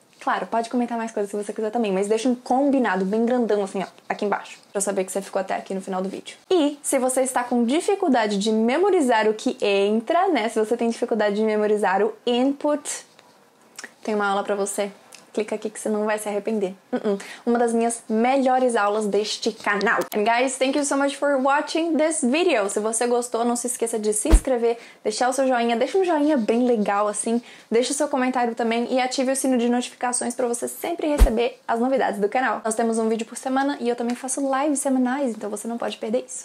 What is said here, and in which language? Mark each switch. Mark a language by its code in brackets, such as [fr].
[pt] Claro, pode comentar mais coisas se você quiser também, mas deixa um combinado bem grandão assim, ó, aqui embaixo, pra eu saber que você ficou até aqui no final do vídeo. E se você está com dificuldade de memorizar o que entra, né, se você tem dificuldade de memorizar o input, tem uma aula pra você. Clica aqui que você não vai se arrepender. Uma das minhas melhores aulas deste canal. [en] And guys, thank you so much for watching this video. [pt] Se você gostou, não se esqueça de se inscrever, deixar o seu joinha, deixa um joinha bem legal assim, deixa o seu comentário também e ative o sino de notificações pra você sempre receber as novidades do canal. Nós temos um vídeo por semana e eu também faço lives semanais, então você não pode perder isso.